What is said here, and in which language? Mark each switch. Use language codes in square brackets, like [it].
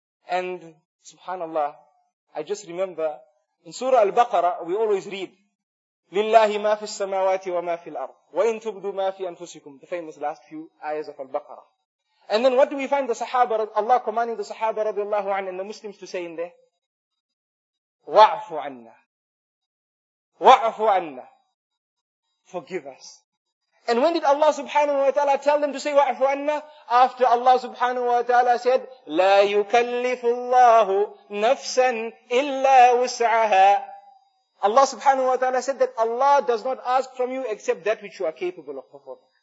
[en] And subhanallah, I just remember in Surah Al-Baqarah, we always read, [ar] لِلَّهِ مَا فِي السَّمَاوَاتِ وَمَا فِي الْأَرْضِ وَإِنْ تُبْدُوا مَا فِي أَنْفُسِكُمْ, [en] the famous last few ayahs of Al-Baqarah. And then what do we find the Sahaba, Allah commanding the Sahaba radiallahu anhu and the Muslims to say in there? [ar] وَعْفُ عَنَّا وَعْفُ عَنَّا, [en] forgive us. And when did Allah subhanahu wa ta'ala tell them to say wa'afu anna? After Allah subhanahu wa ta'ala said, [ar] La yukallifu Allahu nafsan illa wus'aha. [en] Allah subhanahu wa ta'ala said that Allah does not ask from you except that which you are capable of performing.